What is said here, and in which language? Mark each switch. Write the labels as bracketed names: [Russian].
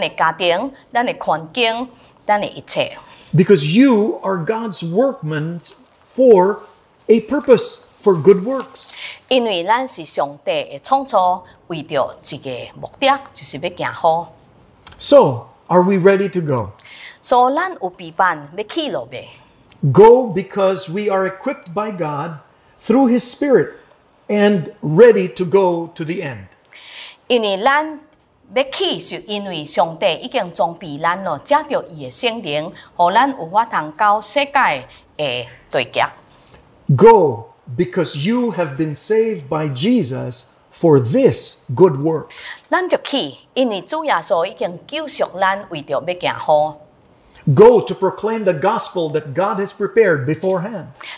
[Min Nan Chinese] 因为伊的意思就是讲，咱的救恩就予别人看到，借着咱的关心、咱的家庭、咱的环境、咱的一切。 [English] Because you are God's workmen for a purpose, for good works. [Min Nan Chinese] 因为咱是上帝的创造，为着一个目的，就是要行好。 [English] So, are we ready to go? [Min Nan Chinese] 所以咱有备办，要去了呗。 [English] Go because we are equipped by God through His Spirit and ready to go to the end. [Min Nan Chinese] 因为咱要去，是因为上帝已经装备咱了，借着伊的圣灵，予咱有法通到世界的对决。 [English] Go because you have been saved by Jesus for this good work. [Min Nan Chinese] 咱就去，因为主耶稣已经救赎咱，为着要行好。 [English] Go to proclaim the gospel that God has prepared beforehand.